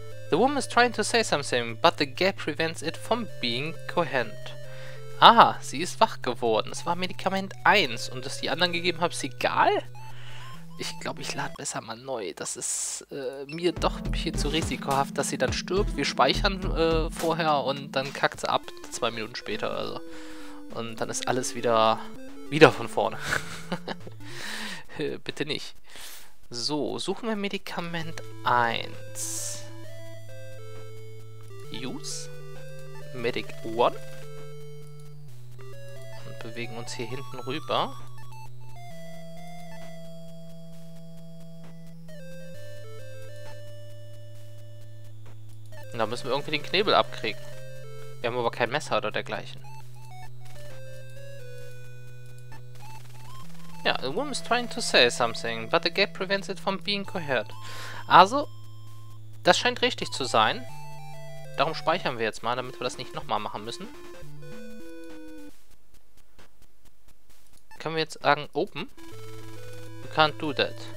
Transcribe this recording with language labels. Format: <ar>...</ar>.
<en>The woman is trying to say something, but the gap prevents it from being coherent.</en> <de>Aha, sie ist wach geworden. Es war Medikament 1 und dass die anderen gegeben habe, ist egal? Ich glaube, ich lade besser mal neu. Das ist mir doch ein bisschen zu risikohaft, dass sie dann stirbt. Wir speichern vorher und dann kackt sie ab 2 Minuten später oder so. Und dann ist alles wieder von vorne. Bitte nicht. So, suchen wir Medikament 1.</de> <en>Use. Medic 1.</en> <de>Und bewegen uns hier hinten rüber. Und da müssen wir irgendwie den Knebel abkriegen. Wir haben aber kein Messer oder dergleichen.</de> <en>Ja, the woman is trying to say something, but the gap prevents it from being coherent.</en> <de>Also, das scheint richtig zu sein. Darum speichern wir jetzt mal, damit wir das nicht nochmal machen müssen. Können wir jetzt sagen, open?</de> <en>You can't do that.</en>